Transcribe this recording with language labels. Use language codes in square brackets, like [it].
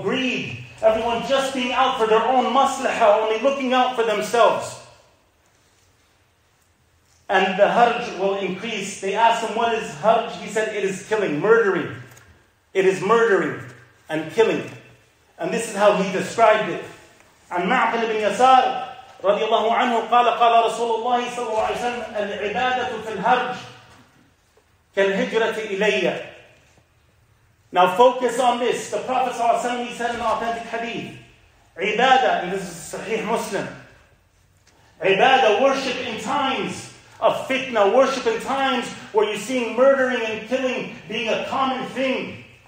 [en] Greed, everyone just being out for their own maslaha, only looking out for themselves. And the harj will increase. They asked him, what is harj? He said, it is killing, murdering. It is murdering and killing. And this is how he described it. [ar] عن معقل بن يسار رضي الله عنه قال قال رسول الله صلى الله عليه وسلم العبادة في الهرج كالهجرة إلي. [en] Now focus on this. The Prophet صلى الله عليه وسلم said in authentic hadith, عبادة, and this is Sahih Muslim, عبادة, worship in times of fitna, worship in times where you're seeing murdering and killing being a common thing.